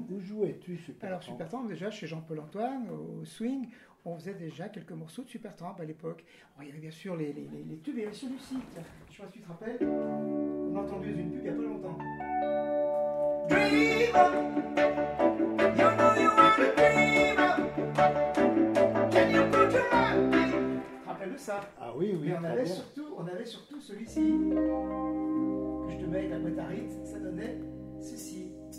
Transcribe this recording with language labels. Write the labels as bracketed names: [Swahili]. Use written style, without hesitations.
[French] Où jouais-tu Supertramp? Alors Supertramp, déjà chez Jean-Paul Antoine au Swing, on faisait déjà quelques morceaux de Supertramp à l'époque. Alors, il y avait bien sûr les tubes, il y avait celui-ci. Je sais pas si tu te rappelles, on a entendu une pub il y a pas longtemps. [English] Dreamer, you know you are the dreamer. Can you put your mind in? [French] Tu te rappelles de ça? Ah oui, oui. Mais on avait surtout, celui-ci. Je te mets la boîte à rythme, ça donnait ceci.